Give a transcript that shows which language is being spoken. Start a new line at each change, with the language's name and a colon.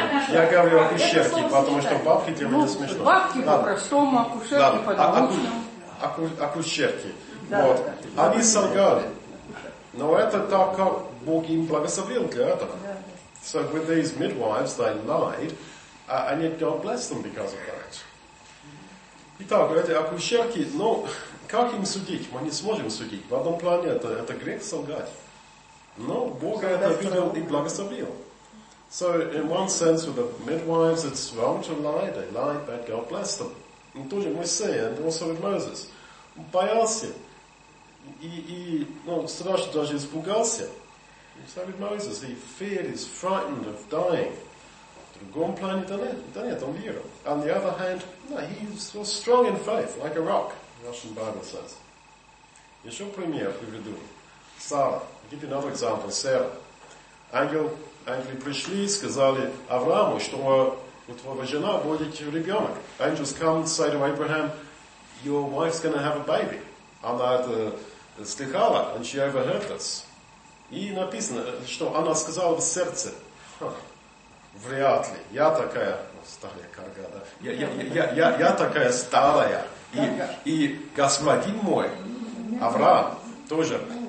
Russian: Я говорю акушерки, потому что бабки для меня смешно. Бабки по-простому, акушерки по-научному. Акушерки. Они солгали. Но это так, как Бог им благословил для этого.
English: So with these midwives, they lied, and yet God blessed them because of that.
Russian: Итак, эти акушерки, ну, как им судить? Мы не сможем судить. В одном плане это грех солгать. Но Бог это видел и благословил.
English: So, in one sense, with the midwives, it's wrong to lie. They lied, but God blessed them.
Russian: И то же мы
English: see, and also with Moses.
Russian: Он боялся. И ну, страшно даже испугался.
English: So with Moses, he feared, he's frightened of dying.
Russian: В другом плане, да нет, он верил.
English: On the other hand, no, he was strong in faith, like a rock, the Russian Bible says.
Russian: Еще пример приведу.
English: Сара. I'll give you another example, Сара.
Russian: Ангелы пришли и сказали Аврааму, что у твоего жена будет ребенок.
English: Angels come and say to Abraham, your wife's going to have a baby.
Russian: Она это слыхала,
English: and she overheard this.
Russian: И написано, что она сказала в сердце. Вряд ли. Я такая старая карга, да? Я такая старая. И господин мой, Авраам, тоже.